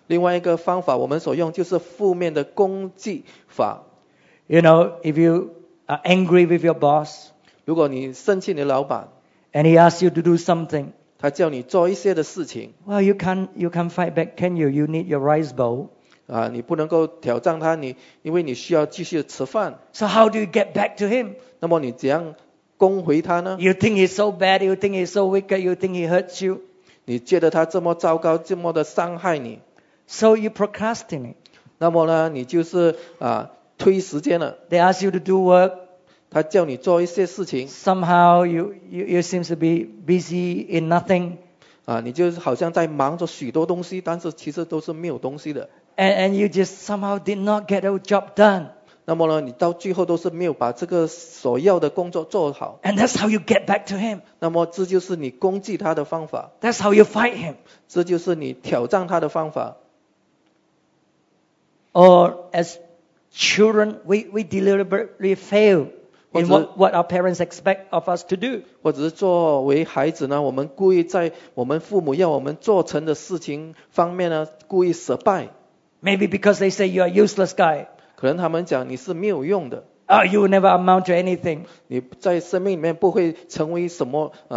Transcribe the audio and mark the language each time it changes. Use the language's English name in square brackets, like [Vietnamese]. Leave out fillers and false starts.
[Chinese] 另外一个方法我们所用就是负面的攻击法。 [English] You know, if you are angry with your boss, [Chinese] 如果你生气你老板 [English] and he asks you to do something, [Chinese] 他叫你做一些的事情 [English] well, you can't fight back, can you? You need your rice bowl. [Chinese] 你不能够挑战他，你因为你需要继续吃饭。 [English] So how do you get back to him? [Chinese] 那么你怎样攻回他呢？ [English] You think he's so bad, you think he's so wicked, you think he hurts you. [Chinese] 你觉得他这么糟糕，这么的伤害你。 [English] So you procrastinate. [Chinese] 那么呢，你就是推时间了。 [English] They ask you to do work. [Chinese] 他叫你做一些事情。 [English] Somehow you seem to be busy in nothing. [Chinese] 你就好像在忙着许多东西，但是其实都是没有东西的。 [English] And you just somehow did not get the job done. [Chinese] 那么呢，你到最后都是没有把这个所要的工作做好。 [English] And that's how you get back to him. [Chinese] 那么这就是你攻击他的方法。 [English] That's how you fight him. [Chinese] 这就是你挑战他的方法。 [English] Or as children, we deliberately fail in what our parents expect of us to do. [Chinese] 或者是作为孩子呢，我们故意在我们父母要我们做成的事情方面呢，故意失败。 [English] Maybe because they say you are useless guy. [Chinese] 可能他们讲你是没有用的。 [English] You will never amount to anything. [Chinese] 你在生命里面不会成为什么